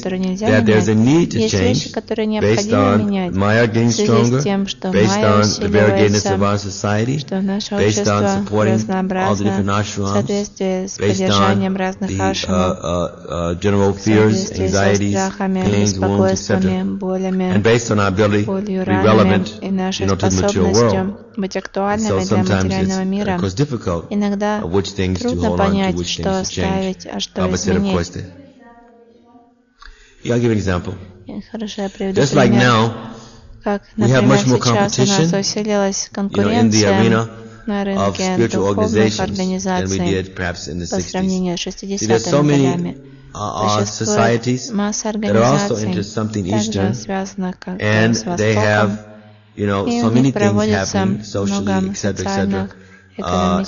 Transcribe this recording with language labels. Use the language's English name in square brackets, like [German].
[English] that there's a need to change based on Maya getting stronger, based on the variegatedness of our society, based on supporting all the different ashrams, based on the general fears, anxieties, pains, wounds, etc. And based on our ability to be relevant, you know, to the material world. [Russian] Быть актуальным so для материального мира. Иногда трудно понять, что оставить, а что изменить. Я приведу пример. [English] Just like now, [Russian] как, например, [English] we have much more competition, you know, in the arena of spiritual organizations than we did perhaps in the 60s. See, there's so many societies that are also into something Eastern, and they have, you know, so many things happening socially, etc., etc.,